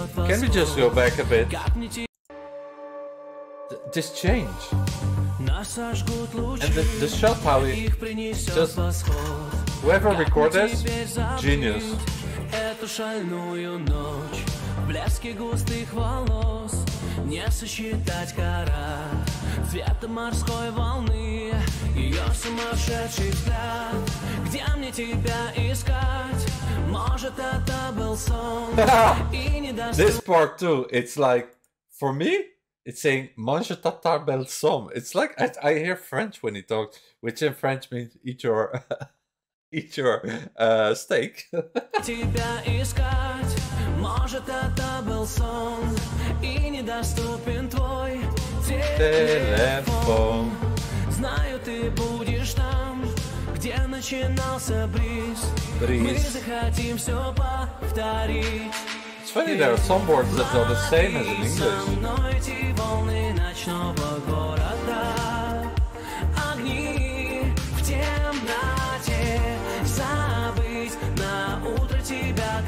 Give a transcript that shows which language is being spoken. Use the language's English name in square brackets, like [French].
[English] Can we just go back a bit? This change. And the shot, how it just, whoever recorded this, genius. [Russian] Эту шальную ночь, блески густых волос, не сосчитать кора, цвета морской волны, ее сумасшедший взгляд. Где мне тебя искать? Может, это был сон. [English] This part too, it's like, for me? It's saying [French] "mange ta tarbel som." [English] It's like I hear French when he talks, which in French means "eat your eat your steak." [Russian] Тебя искать, может, это был сон, и недоступен твой телефон. Знаю, ты будешь там, где начинался бриз. Мы захотим все повторить. [English] It's funny, there are some words that are the same as in English.